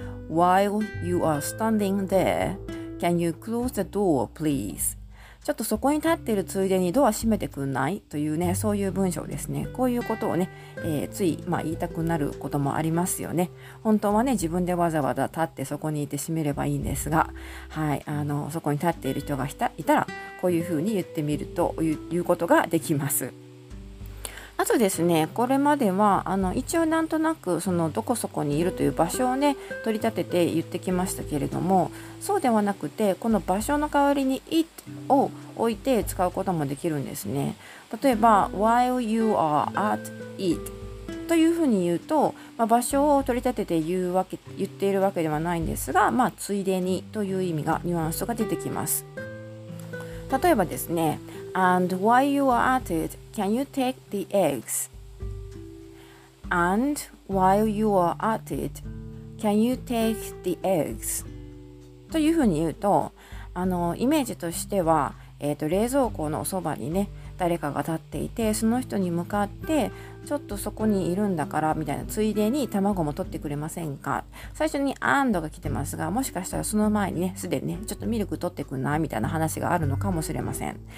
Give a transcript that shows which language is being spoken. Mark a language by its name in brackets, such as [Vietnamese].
[English] While you are standing thereCan you close the door, please? [Japanese] ちょっとそこに立っているついでにドア閉めてくんないというね、そういう文章ですね。こういうことをね、つい、言いたくなることもありますよね。本当はね、自分でわざわざ立ってそこにいて閉めればいいんですが、はい、そこに立っている人がいたら、こういうふうに言ってみるということができます。あとですね、これまでは一応なんとなくそのどこそこにいるという場所をね、取り立てて言ってきましたけれども、そうではなくて、この場所の代わりに it を置いて使うこともできるんですね。例えば [English] while you are at it [Japanese] というふうに言うと、場所を取り立てて言っているわけではないんですが、ついでにという意味が、ニュアンスが出てきます。例えばですね、 [English] And while you are at it, can you take the eggs? And while you are at it, can you take the eggs? [Japanese] というふうに言うと、イメージとしては、冷蔵庫のそばにね、誰かが立っていて、その人に向かって、ちょっとそこにいるんだからみたいな、ついでに卵も取ってくれませんか。最初に and が来てますが、もしかしたらその前にね、すでにね、ちょっとミルク取ってくんなみたいな話があるのかもしれません。